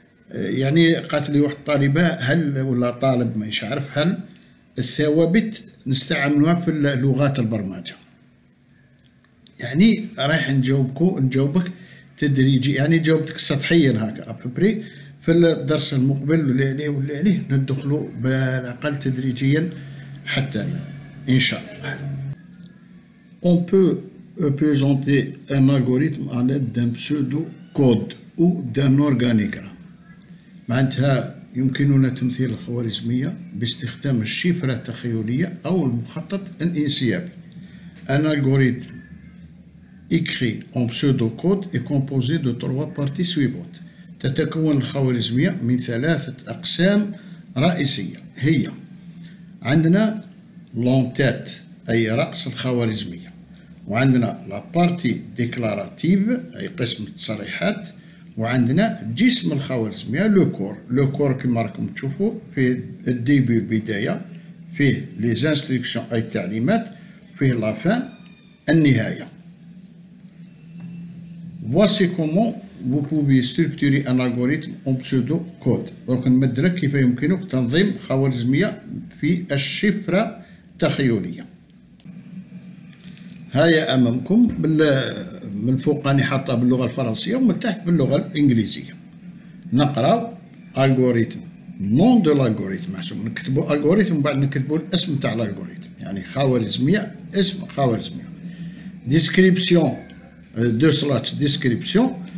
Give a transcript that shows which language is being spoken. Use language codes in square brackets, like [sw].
[ar] يعني قالت لي واحد طالبة، هل ولا طالب ما يعرف، هل الثوابت نستعملها في لغات البرمجة؟ يعني رايح نجاوبك تدريجي، يعني جاوبتك سطحيا هكا أبري، في الدرس المقبل واللي عليه واللي عليه ندخلوا بالأقل تدريجيا حتى إن شاء الله. [fr] On peut présenter un algorithme à l'aide d'un pseudo code ou d'un organigramme. [ar] معناتها يمكننا تمثيل الخوارزمية باستخدام الشفرة التخيلية أو المخطط الانسيابي. [fr] Un algorithme écrit en pseudo code est composé de trois parties suivantes. [ar] تتكون الخوارزمية من ثلاثة أقسام رئيسية. هي عندنا لونتات أي رأس الخوارزمية، وعندنا لابارتي ديكلاراتيف أي قسم التصريحات، وعندنا جسم الخوارزمية لوكور كما راكم تشوفوا في الديبي البداية، فيه لي زانستركسيون أي التعليمات، فيه لافان النهاية. [fr] Voici comment vous pouvez structurer un algorithme en pseudo code. [ar] دونك نمدلك كيف يمكنك تنظيم خوارزمية في الشفرة التخيلية. هيا أمامكم من فوق راني حاطها باللغة الفرنسية ومن تحت باللغة الإنجليزية. نقرأ algorithm، نون دو الالغوريتم، معناتها نكتبوا algorithm وبعد نكتبوا الاسم تاع الالغوريتم، يعني خوارزمية اسم خوارزمية. ديسكريبسيون دو سلاش ديسكريبسيون،